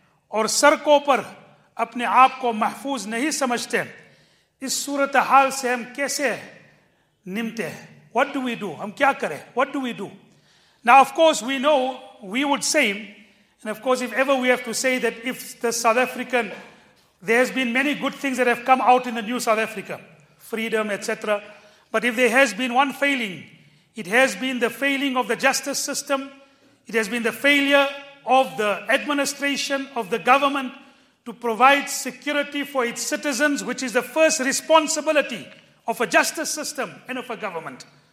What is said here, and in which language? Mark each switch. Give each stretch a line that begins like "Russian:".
Urdu: اور سڑکوں پر اپنے آپ کو محفوظ نہیں سمجھتے. اس صورتحال سے ہم کیسے نمٹے ہیں؟
English: What do we do?
Urdu: ہم کیا کریں؟
English: What do we do? Now, of course, we know, we would say, and of course, if ever we have to say that if the South African, there has been many good things that have come out in the new South Africa, freedom, etc. But if there has been one failing, it has been the failing of the justice system, it has been the failure of the administration, of the government, to provide security for its citizens, which is the first responsibility of a justice system and of a government.